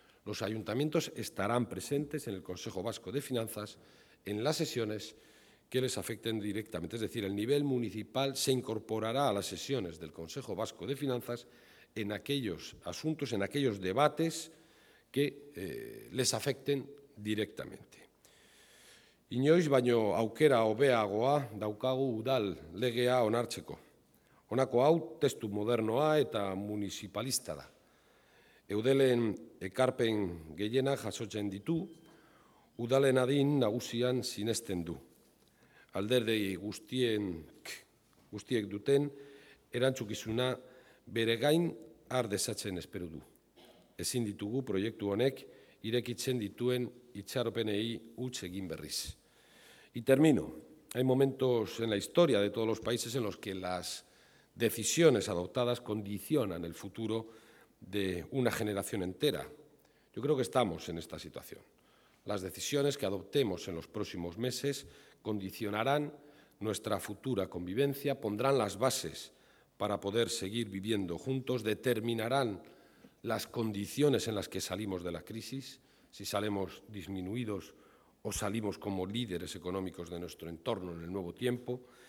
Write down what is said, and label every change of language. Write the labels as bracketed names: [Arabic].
[Spanish] los ayuntamientos estarán presentes en el Consejo Vasco de Finanzas en las sesiones que les afecten directamente. Es decir, el nivel municipal se incorporará a las sesiones del Consejo Vasco de Finanzas en aquellos asuntos, en aquellos debates que les afecten directamente. [Basque] Inoiz baino aukera hobeagoa daukagu udal legea onartzeko. Honako hau testu modernoa eta municipalista da. Eudelen ekarpen gehiena jasotzen ditu, udalen adin nagusian sinesten du. Alderdei guztiek duten erantzukizuna bere gain har dezatzen espero du. Ezin ditugu proiektu honek irekitzen dituen itxaropenei huts egin berriz. [Spanish] Y termino. Hay momentos en la historia de todos los países en los que las decisiones adoptadas condicionan el futuro de una generación entera. Yo creo que estamos en esta situación. Las decisiones que adoptemos en los próximos meses condicionarán nuestra futura convivencia, pondrán las bases para poder seguir viviendo juntos, determinarán las condiciones en las que salimos de la crisis, si salimos disminuidos o salimos como líderes económicos de nuestro entorno en el nuevo tiempo.